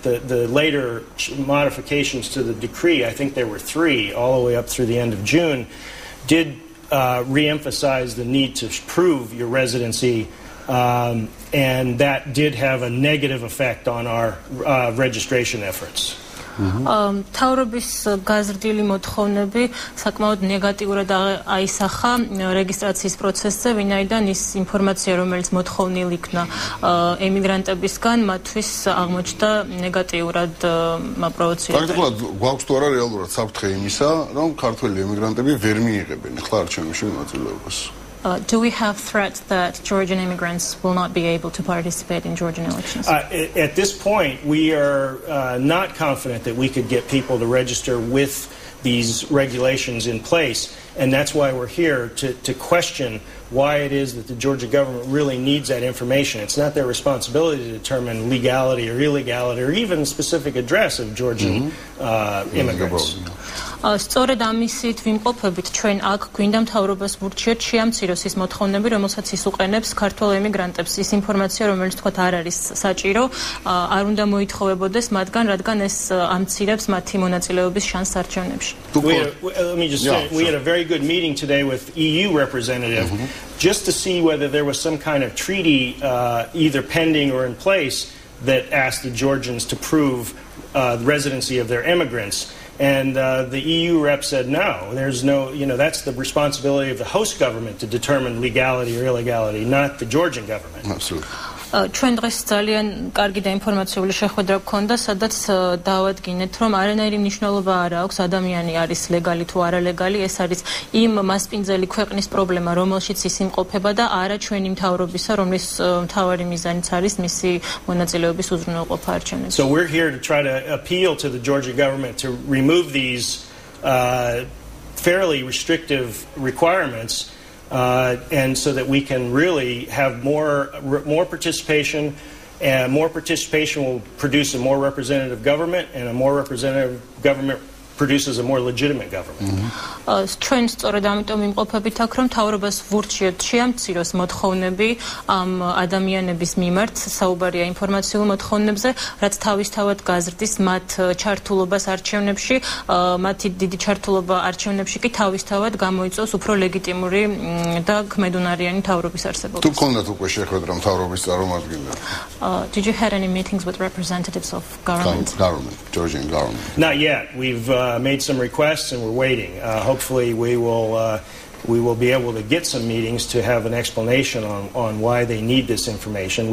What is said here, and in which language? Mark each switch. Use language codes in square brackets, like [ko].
[en] The later modifications to the decree, I think there were 3 all the way up through the end of June, did reemphasize the need to prove your residency, and that did have a negative effect on our registration efforts. [ka] თავრობის გაზრდილი მოთხოვნები საკმაოდ ნეგატიურად აისახა რეგისტრაციის პროცესზე, ვინაიდან ის ინფორმაცია, რომელიც მოთხოვნილ იქნა ემიგრანტებისგან, მათთვის აღმოჩნდა ნეგატიურად პროცედურა. პრაქტიკულად გვაქვს თუ არა რეალურად საფრთხე იმისა, რომ ქართველი ემიგრანტები ვერ მიიღებენ ახლა არჩევნებში მონაწილეობას? [en] Do we have threats that Georgian immigrants will not be able to participate in Georgian elections? At this point, we are not confident that we could get people to register with these regulations in place, and that's why we're here to question why it is that the Georgia government really needs that information. It's not their responsibility to determine legality or illegality or even specific address of Georgian immigrants. [ka] სწორედ ამისით ვიმყოფებით, ჩვენ აქ გვინდა მთავრობას ვურჩიოთ შეამციროს ის მოთხოვნები, რომელსაც ის უყენებს ქართველ ემიგრანტებს, ის ინფორმაცია, რომელიც თქვათ არ არის საჭირო, არ უნდა მოითხოვებოდეს მათგან, რადგან ეს ამცირებს მათი მონაწილეობის შანსს არჩევნებში. [en] We had a very good meeting today with EU representative just to see whether there was some kind of treaty either pending or in place that asked the Georgians to prove the residency of their immigrants. And the EU rep said no, there's no, you know, that's the responsibility of the host government to determine legality or illegality, not the Georgian government. Absolutely. [ka] ჩვენ დღეს ძალიან კარგი და ინფორმაციული შეხვედრა გქონდა, სადაც დავადგინეთ, რომ არანაირი მნიშვნელობა არ აქვს, ადამიანი არის ლეგალი თუ არალეგალი, ეს არის იმ მასპინძელი ქვეყნის პრობლემა, რომელშიც ის იმყოფება და არა ჩვენი მთავრობისა, რომლის მთავარი მიზანიც არის მისი მონაწილეობის უზრუნველყოფა არჩევნებში. [en] So we're here to try to appeal to the Georgia government to remove these fairly restrictive requirements and so that we can really have more participation, and more participation will produce a more representative government, and a more representative government produces a more legitimate government. [ka] ჩვენ სწორედ ამიტომ იმყოფებით აქ, რომ თავრობას ვურჩიოთ, შეამციროს მოთხოვნები ამ ადამიანების მიმართ, საუბარია ინფორმაციულ მოთხოვნებზე, რაც თავისთავად გაზრდის მათ ჩართულობას არჩევნებში, მათი დიდი ჩართულობა არჩევნებში კი თავისთავად გამოიწვევს უფრო ლეგიტიმური და ქმედუნარიანი თავრობის არსებობას. თუ ქონდათ უკვე შეხვედრა თავრობის წარმომადგენლებთან? [en] Did you have any meetings with representatives of government? Georgian government. Not yet. We've made some requests and we're waiting. Hopefully we will be able to get some meetings to have an explanation on why they need this information.